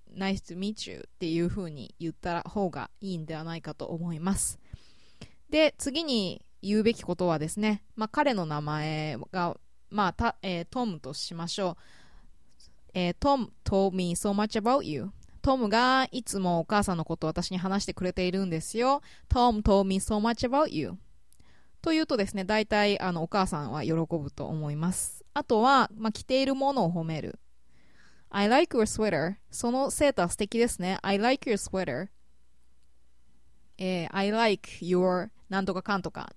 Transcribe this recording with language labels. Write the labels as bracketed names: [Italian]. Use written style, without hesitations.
[English] Nice to meet you [Japanese] っていう風に言った方がいいんではないかと思います。で、次に言うべきことはですね、彼の名前が、トムとしましょう。 [English] Tom told me so much about you. [Japanese] Tom がいつもお母さんのことを私に話してくれているんですよ。 [English] Tom told me so much about you [Japanese] というとですね、大体お母さんは喜ぶと思います。あとは、着ているものを褒める。 [English] I like your sweater. [Japanese] そのセーター素敵ですね。 [English] I like your sweater. I like your [Japanese] なんとかかんとか。